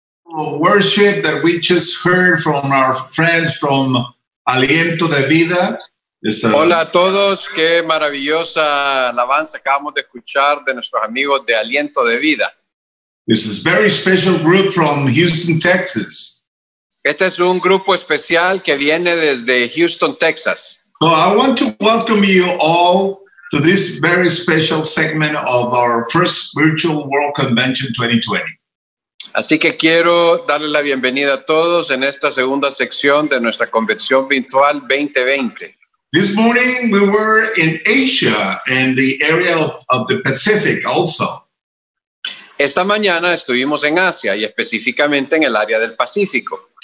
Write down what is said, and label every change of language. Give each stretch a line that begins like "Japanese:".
English: Worship that we just heard from our friends from Aliento de Vida.
Spanish: Hola a todos, qué maravillosa alabanza acabamos de escuchar de nuestros amigos de Aliento de Vida.
English: This is a very special group from Houston, Texas.
Spanish: Este es un grupo especial que viene desde Houston, Texas.
English: So I want to welcome you all to this very special segment of our first virtual World Convention 2020.
Spanish: Así que quiero darle la bienvenida a todos en esta segunda sección de nuestra convención virtual 2020.
English: This morning we were in Asia and the area of the Pacific also.
Spanish: Esta mañana estuvimos en Asia y específicamente en el área del Pacífico.